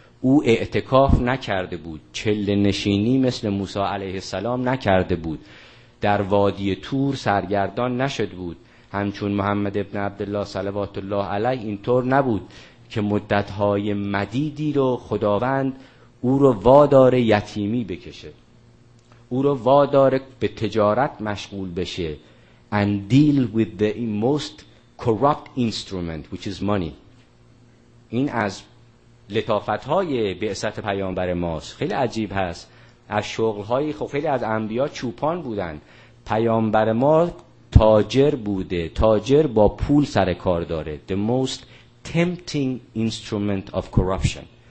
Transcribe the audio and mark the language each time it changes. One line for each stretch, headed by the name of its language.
Persian: او اعتکاف نکرده بود، چله نشینی مثل موسی علیه السلام نکرده بود، در وادی طور سرگردان نشد بود، همچون محمد ابن عبدالله صلوات الله علیه این طور نبود که مدت‌های مدیدی رو خداوند او رو واداره یتیمی بکشه، او رو واداره به تجارت مشغول بشه.
English: And deal with the most corrupt instrument which is money.
Persian: این از لطافت‌های بعثت پیامبر ماست. خیلی عجیب هست. از شغل‌های خیلی از انبیا چوپان بودن. پیامبر ما تاجر بوده، تاجر با پول سر کار داره.
English: The most tempting instrument of corruption.